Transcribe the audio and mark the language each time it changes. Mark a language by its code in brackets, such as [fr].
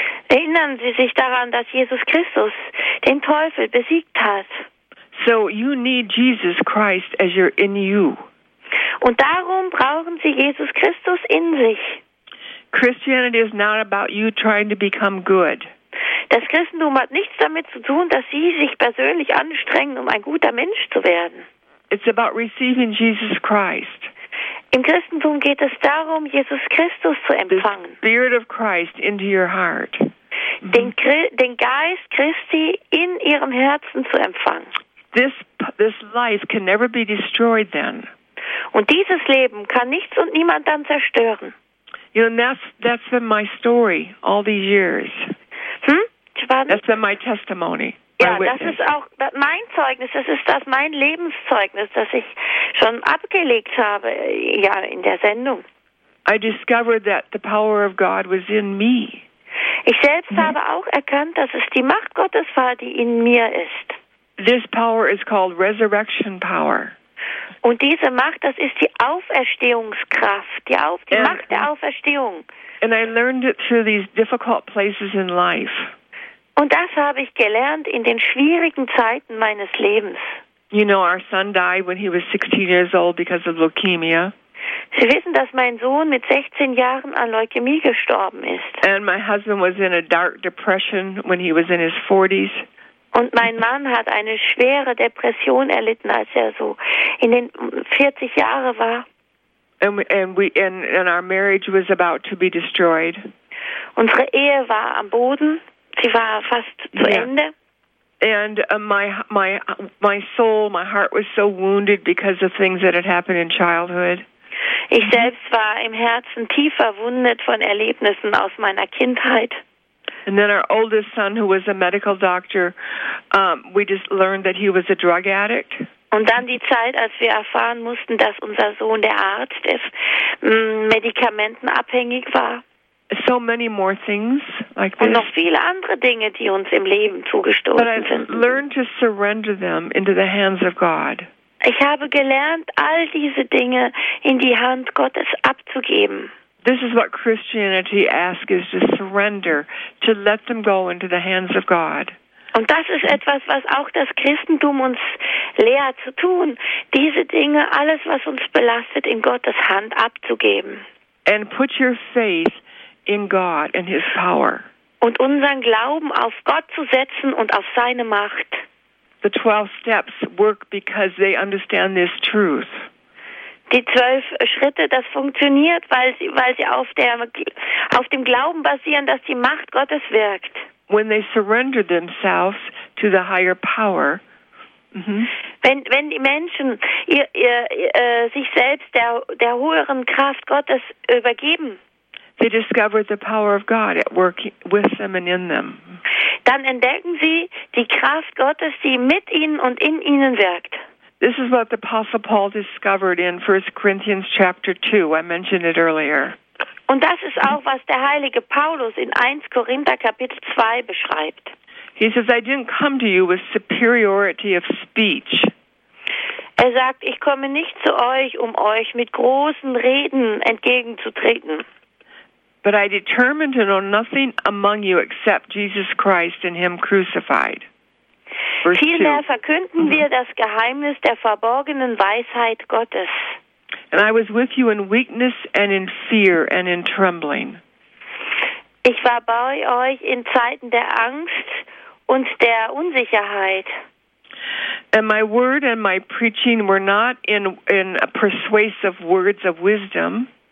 [de] Erinnern Sie sich daran, dass Jesus Christus den Teufel besiegt hat. [en] So you need Jesus Christ as you're in you. [de] Und darum brauchen Sie Jesus Christus in sich. [en] Christianity is not about you trying to become good. [de] Das Christentum hat nichts damit zu tun, dass Sie sich persönlich anstrengen, um ein guter Mensch zu werden. [en] It's about receiving Jesus Christ. [de] Im Christentum geht es darum, Jesus Christus zu empfangen. [en] The Spirit of Christ into your heart. [de] Den Geist Christi in Ihrem Herzen zu empfangen. [en] This life can never be destroyed then. [de] Und dieses Leben kann nichts und niemand dann zerstören. [en] You know, that's been my story all these years. That's been my testimony. [de] Ja, das ist auch mein Zeugnis. Das ist das mein Lebenszeugnis, das ich schon abgelegt habe, ja, in der Sendung. [en] I discovered that the power of God was in me. [de] Ich selbst habe auch erkannt, dass es die Macht Gottes war, die in mir ist. [en] This power is called resurrection power. [de] Und diese Macht, das ist die Auferstehungskraft, Macht der Auferstehung. [en] And I learned it through these difficult places in life. [de] Und das habe ich gelernt in den schwierigen Zeiten meines Lebens. [en] You know, our son died when he was 16 years old because of leukemia. [de] Sie wissen, dass mein Sohn mit 16 Jahren an Leukämie gestorben ist. [en] And my husband was in a dark depression when he was in his 40s. [de] Und mein Mann hat eine schwere Depression erlitten, als er so in den 40 Jahre war. [en] And our marriage was about to be destroyed. [de] Unsere Ehe war am Boden. Sie war fast zu Ende. [en] And my soul, my heart was so wounded because of things that had happened in childhood. [de] Ich selbst war im Herzen tief verwundet von Erlebnissen aus meiner Kindheit. [en] And then our oldest son, who was a medical doctor, we just learned that he was a drug addict. [de] Und dann die Zeit, als wir erfahren mussten, dass unser Sohn der Arzt ist, medikamentenabhängig war. [en] So many more things like this. [de] Und noch viele andere Dinge, die uns im Leben zugestoßen sind. [en] But I've learned to surrender them into the hands of God. [de] Ich habe gelernt, all diese Dinge in die Hand Gottes abzugeben. [en] This is what Christianity asks, is to surrender, to let them go into the hands of God. [de] Und das ist etwas, was auch das Christentum uns lehrt zu tun, diese Dinge, alles, was uns belastet, in Gottes Hand abzugeben. [en] And put your faith in God and his power. [de] Und unseren Glauben auf Gott zu setzen und auf seine Macht. [en] The 12 steps work because they understand this truth. [de] Die 12 Schritte, das funktioniert, weil sie auf dem Glauben basieren, dass die Macht Gottes wirkt. [en] When they surrender themselves to the higher power. [de] Wenn die Menschen sich selbst der höheren Kraft Gottes übergeben. [en] They discover the power of God at work with them and in them. [de] Dann entdecken sie die Kraft Gottes, die mit ihnen und in ihnen wirkt. [en] This is what the Apostle Paul discovered in 1 Corinthians chapter 2. I mentioned it earlier. [de] Und das ist auch, was der heilige Paulus in 1 Korinther Kapitel 2 beschreibt. [en] He says, I didn't come to you with superiority of speech. [de] Er sagt, ich komme nicht zu euch, um euch mit großen Reden entgegenzutreten. [en] But I determined to know nothing among you except Jesus Christ and him crucified. [de] Vielmehr verkünden wir das Geheimnis der verborgenen Weisheit Gottes. [en] And I was with you in weakness and in fear and in trembling. [de] Ich war bei euch in Zeiten der Angst und der Unsicherheit. [en] And my word and my preaching were not in persuasive words of wisdom.